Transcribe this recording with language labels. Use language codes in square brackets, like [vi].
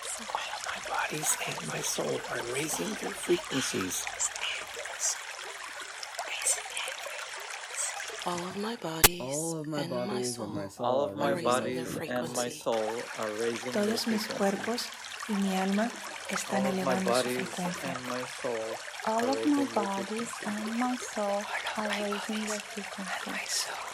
[en] All of my bodies and my soul are raising their frequencies. All of my bodies, all of my and, bodies my soul, and my soul all of my bodies and my soul are raising their frequencies. [es] Todos mis cuerpos y mi alma están elevando su frecuencia. [en] All of my bodies and my soul are raising their frequency.